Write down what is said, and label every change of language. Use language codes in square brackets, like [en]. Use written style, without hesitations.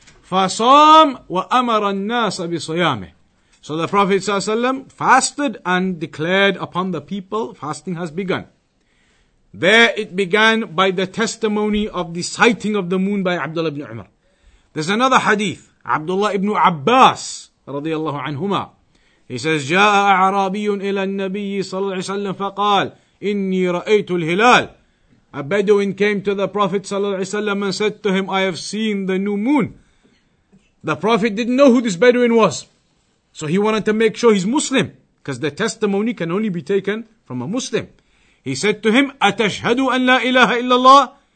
[ar] فَصَامْ وَأَمَرَ النَّاسَ بِصَيَامِهِ [en] So the Prophet ﷺ fasted and declared upon the people, fasting has begun. There it began by the testimony of the sighting of the moon by Abdullah ibn Umar. There's another hadith. Abdullah ibn Abbas رضي الله عنهما. He says, [ar] جاء أعرابي إلى النبي صلى الله عليه وسلم فقال إني رأيت الهلال. [en] A Bedouin came to the Prophet صلى الله عليه وسلم and said to him, I have seen the new moon. The Prophet didn't know who this Bedouin was. So he wanted to make sure he's Muslim, because the testimony can only be taken from a Muslim. He said to him, [ar] أتشهد أن لا إله إلا الله?